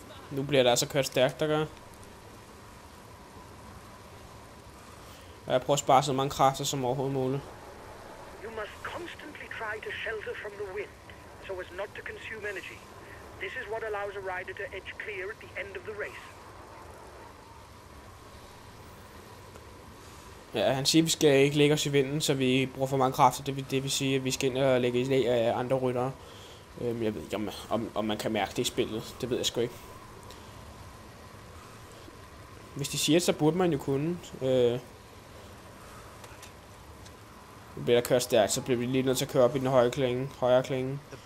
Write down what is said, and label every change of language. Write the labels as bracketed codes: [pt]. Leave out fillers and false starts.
[da] Nu bliver der altså kørt stærkt, der gør. Og jeg prøver at spare så mange kræfter som overhovedet muligt. [en] You must constantly try to shelter from the wind, so as not to consume energy. This is what allows a rider to edge clear at the end of the race. [da] Ja, han siger, at vi skal ikke lægge os i vinden, så vi bruger for mange kræfter. Det vil sige, at vi skal ind og lægge i læg af andre ryttere. Jeg ved ikke, om man kan mærke det i spillet. Det ved jeg sgu ikke. Hvis de siger, så burde man jo kunne. Nu bliver der kørt stærkt, så bliver vi lige nødt til at køre op i den høje klinge, højre klinge.